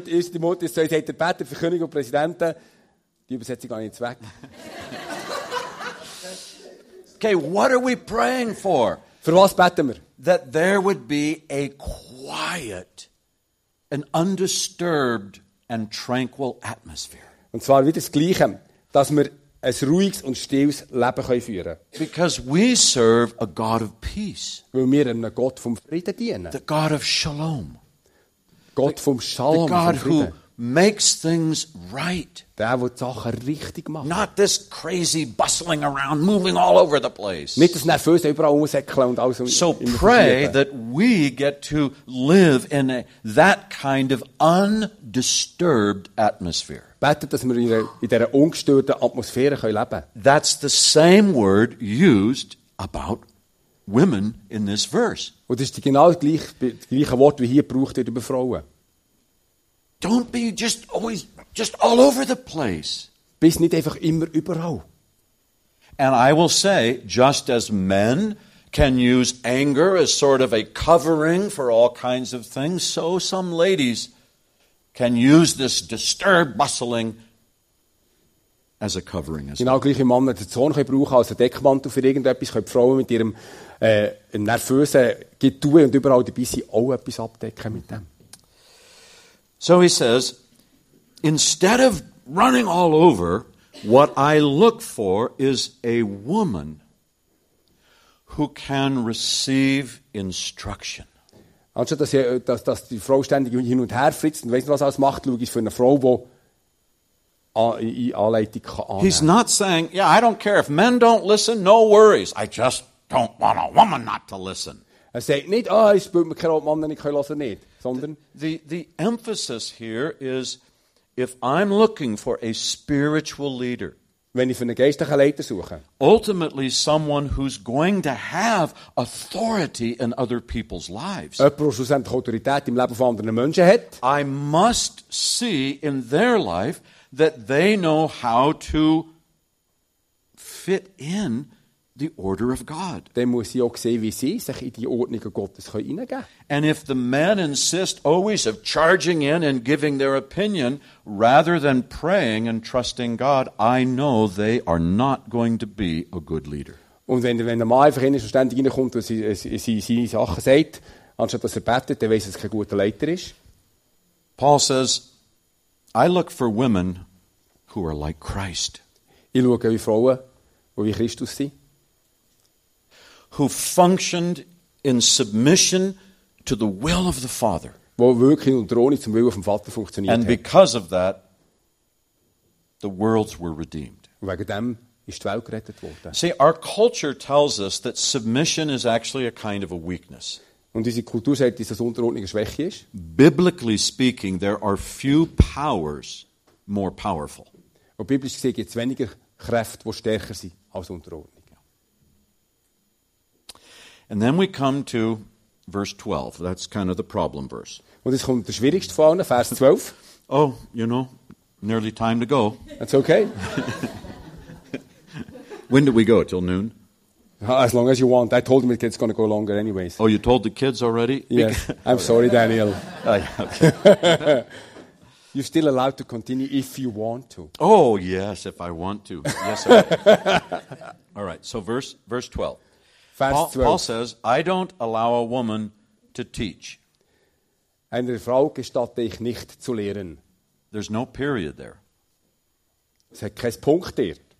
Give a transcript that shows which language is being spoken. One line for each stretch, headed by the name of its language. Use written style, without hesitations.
German: Timotheus 2 sagt, betet für Könige und Präsidenten. Die Übersetzung geht nicht weg.
English: Okay, what are we praying for?
German: Für was beten wir?
English: That there would be a quiet, an undisturbed and tranquil atmosphere.
German: Und zwar wieder das Gleiche, dass wir ein ruhiges und stilles Leben können führen.
English: Because we serve a God of peace.
German: Weil wir einem Gott vom Frieden dienen.
English: The God of Shalom.
German: Gott vom Shalom,
English: the God
German: vom Frieden.
English: Who makes things right.
German: Der, wo die Sachen richtig macht.
English: Not this crazy bustling around, moving all over the place.
German: Nicht das Nervöse, überall umsäckeln und alles.
English: So pray that we get to live in a, that kind of undisturbed atmosphere.
German: Betet, dass wir in dieser ungestörten Atmosphäre leben können.
English: That's the same word used about women in this verse.
German: Und das ist genau das gleiche Wort, wie hier gebraucht wird über Frauen.
English: Don't be just always, just all over the place.
German: Bist nicht einfach immer überall.
English: And I will say, just as men can use anger as sort of a covering for all kinds of things, so some ladies can use this disturbed bustling as a covering as
German: genau gleich im Mann, der Zorn kann brauchen als Deckmantel für irgendetwas, können Frauen mit ihrem nervösen Getue und überall dabei sein, auch etwas abdecken mit dem.
English: So he says, instead of running all over, what I look for is a woman who can receive instruction.
German: Anstatt dass die Frau ständig hin und her fritzt und weiss nicht, was alles macht, schau ich für eine Frau, die eine Anleitung kann annehmen.
English: He's not saying, yeah, I don't care, if men don't listen, no worries. I just don't want a woman not to listen.
German: Er sagt nicht, oh, ich spüre mir keine Ahnung, Mann, ich kann hören, nicht. Sondern
English: the emphasis here is, if I'm looking for a spiritual leader,
German: wenn ich für einen geistlichen Leiter suche,
English: ultimately someone who's going to have authority in other people's lives,
German: jemand, der schlussendlich Autorität im Leben von anderen Menschen hat,
English: I must see in their life that they know how to fit in the order of God.
German: Dann muss ich auch sehen, wie sie sich in die Ordnung Gottes hineingeben können.
English: And if the men insist always of charging in and giving their opinion rather than praying and trusting God, I know they are not going to be a good leader.
German: Und wenn der Mann einfach innen ständig reinkommt und sie seine Sachen sagt, anstatt dass er betet, dann weiss, dass er kein guter Leiter ist.
English: Paul says, I look for women who are like Christ.
German: Ich schaue wie Frauen, die wie Christus sind.
English: Who functioned in submission to the will of the Father.
German: Wo wirklich unter Ordnung zum Willen vom Vater funktioniert.
English: And because of that, the worlds were redeemed.
German: Wegen dem ist die Welt gerettet worden.
English: See, our culture tells us that submission is actually a kind of a weakness.
German: Und diese Kultur sagt, dass das Unterordnung eine Schwäche ist.
English: Biblically speaking, there are few powers more powerful.
German: Und biblisch gesehen gibt es weniger Kräfte, die stärker sind als Unterordnung.
English: And then we come to verse 12. That's kind of the problem verse.
German: Und jetzt kommt der schwierigste von allen, Vers 12.
English: Oh, you know, nearly time to go. That's okay. When do we go? Till noon? As long as you want. I told him it's going to go longer anyways. Oh, you told the kids already? Yes. I'm sorry, Daniel. Okay. You're still allowed to continue if you want to. Oh, yes, if I want to. Yes, okay. All right, so verse 12. Paul says, I don't allow a woman to teach.
German: Einer Frau gestatte ich nicht zu lehren.
English: There's no period there.
German: Es hat keinen Punkt dort.